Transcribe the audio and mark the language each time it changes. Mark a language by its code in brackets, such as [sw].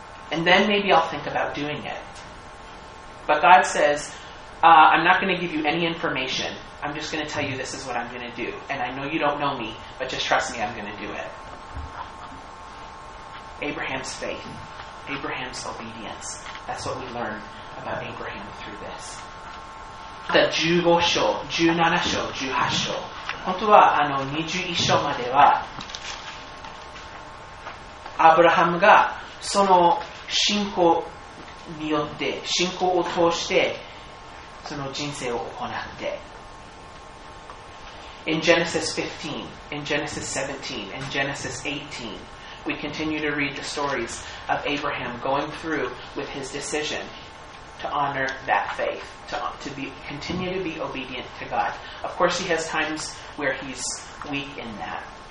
[en] And then maybe I'll think about doing it. But God says, I'm not going to give you any information. I'm just going to tell you this is what I'm going to do. And I know you don't know me, but just trust me, I'm going to do it. Abraham's faith. Abraham's obedience. That's what we learn about Abraham through this. [ja] The 15章、17章、18章。本当は21章までは、アブラハムがその信仰によって、信仰を通してその人生を行って。 [en] In Genesis 15, in Genesis 17, in Genesis 18, we continue to read the stories of Abraham going through with his decision to honor that faith, to continue to be obedient to God. Of course, he has times where he's weak in that.